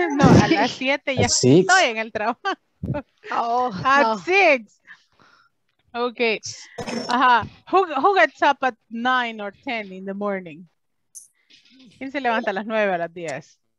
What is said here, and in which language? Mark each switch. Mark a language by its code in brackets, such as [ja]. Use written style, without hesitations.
[es] No, a las 7 ya estoy en el trabajo. Oh, [en] at 6. No. Okay. Who gets up at 9 or 10 in the morning? [es] ¿Quién se levanta a las 9 o a las 10?